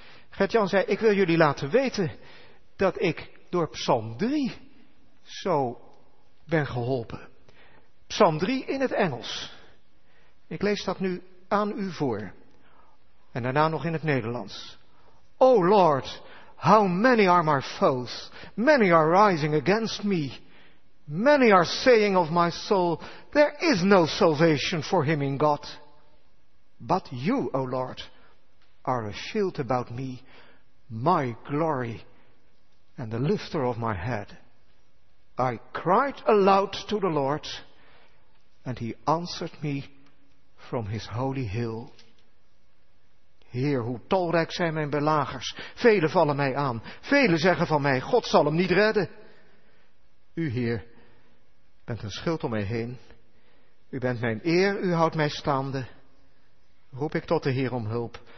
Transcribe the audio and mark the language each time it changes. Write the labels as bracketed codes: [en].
[nl] Gert-Jan zei, ik wil jullie laten weten dat ik door Psalm 3 zo ben geholpen. Psalm 3 in het Engels. Ik lees dat nu aan u voor. En daarna nog in het Nederlands. [en] O Lord, how many are my foes? Many are rising against me. Many are saying of my soul, there is no salvation for him in God. But you, O Lord, are a shield about me, my glory, and the lifter of my head. I cried aloud to the Lord, and he answered me from his holy hill. [nl] Heer, hoe talrijk zijn mijn belagers. Velen vallen mij aan. Velen zeggen van mij, God zal hem niet redden. U, Heer, bent een schild om mij heen. U bent mijn eer, u houdt mij staande. Roep ik tot de Heer om hulp.